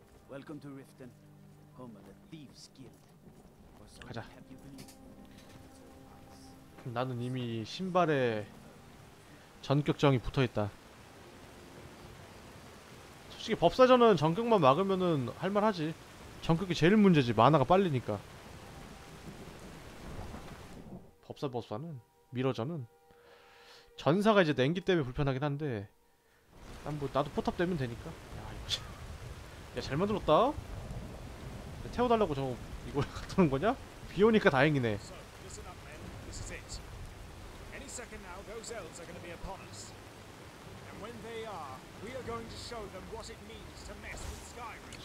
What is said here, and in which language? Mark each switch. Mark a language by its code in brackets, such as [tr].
[en] Welcome to Riften, home of the Thieves Guild. [ko] 가자. 나는 이미 신발에 전격정이 붙어있다. 솔직히 법사전은 전격만 막으면은 할만하지. 전격이 제일 문제지. 만화가 빨리니까. 법사는 미러전은 전사가 이제 냉기 때문에 불편하긴 한데 난 뭐 나도 포탑 되면 되니까. 야, 이거 참. 야, 잘 만들었다. 야, 태워달라고 저 이걸 갖다 놓은 거냐? 비 오니까 다행이네. [en] Second now, those elves are going to be upon us. And when they are, we are going to show them what it means to mess with Skyrim.